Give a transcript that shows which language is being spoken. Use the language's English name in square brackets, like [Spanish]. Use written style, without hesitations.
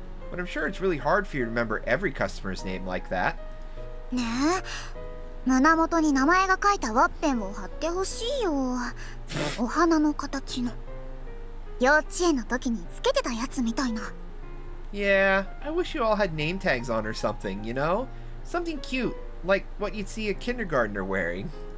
[English] But I'm sure it's really hard for you to remember every customer's name like that. Nah. [Japanese] 胸元に名前が書いたワッペンを貼ってほしいよ お花の形の 幼稚園の時につけてたやつみたいな [English] Yeah, I wish you all had name tags on or something, you know? Something cute, like what you'd see a kindergartner wearing